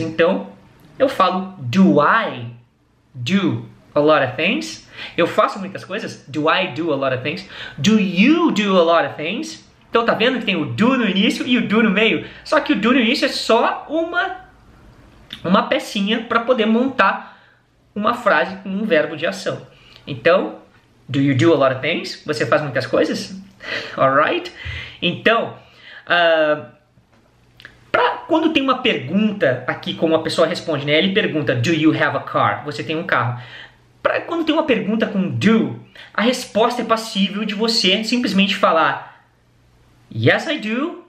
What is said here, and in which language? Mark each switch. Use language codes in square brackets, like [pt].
[pt] Então, eu falo do [en] I do a lot of things? [pt] Eu faço muitas coisas? [en] Do I do a lot of things? Do you do a lot of things? [pt] Então, tá vendo que tem o do no início e o do no meio? Só que o do no início é só uma pecinha para poder montar uma frase com um verbo de ação. [en] Então, do you do a lot of things? [pt] Você faz muitas coisas? Alright? Então, pra quando tem uma pergunta aqui, como a pessoa responde, né? Ele pergunta, [en] do you have a car? [pt] Você tem um carro. Pra quando tem uma pergunta com do, a resposta é passível de você simplesmente falar [en] yes, I do.